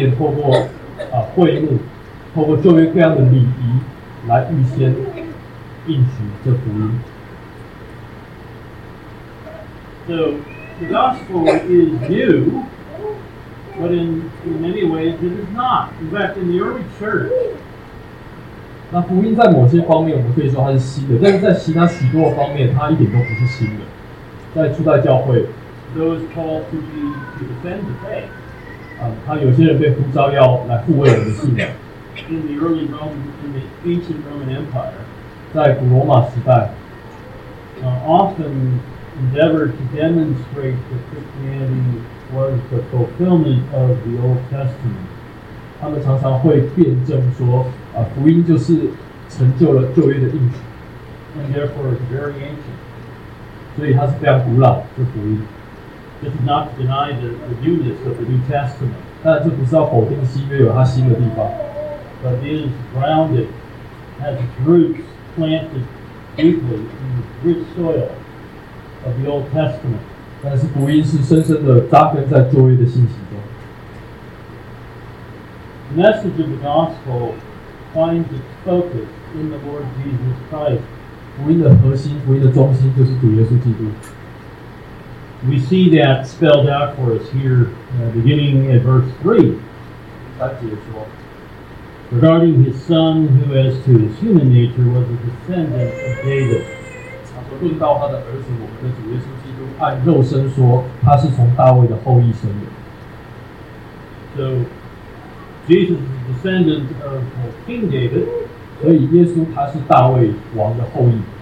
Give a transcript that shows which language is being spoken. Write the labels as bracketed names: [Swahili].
[Chinese] 福音在旧约里头怎么样被应许呢？就是透过献祭，透过预表，透过圣殿，透过会幕。透过旧约各样的礼仪来预先应许这福音。 [English] So the gospel is new, but in many ways it is not. In fact, in the early church, [Chinese] 那福音在某些方面我们可以说它是新的，但是在其他许多方面它一点都不是新的，在初代教会。 [English] Those called to defend the faith. [Chinese] 他有些人被呼召要来护卫我们的信仰。 [English] In the early Roman, in the ancient Roman Empire, [Chinese] 在古罗马时代, [English] often endeavored to demonstrate that Christianity was the fulfillment of the Old Testament. [Chinese] 他们常常会辩证说, 福音就是成就了旧约的应许, [English] and therefore it's very ancient. [Chinese] 所以它是非常古老, 这福音。 [English] This is not to deny the newness of the New Testament. [Chinese] 但这不是要否定新约有它新的地方。 [English] But it is grounded, has its roots planted deeply in the rich soil of the Old Testament. [Chinese] 但是福音是深深地扎根在旧约的信息中。 [English] The message of the gospel finds its focus in the Lord Jesus Christ. [Chinese] 福音的核心，福音的中心就是主耶稣基督。 [English] We see that spelled out for us here, beginning at verse 3. [Chinese] 他解说, [English] regarding his son, who as to his human nature was a descendant of David. [Chinese] 他说论到他的儿子我们的主耶稣基督按肉身说他是从大卫的后裔生的。 [English] So Jesus is a descendant of King David. [Chinese] 所以耶稣他是大卫王的后裔。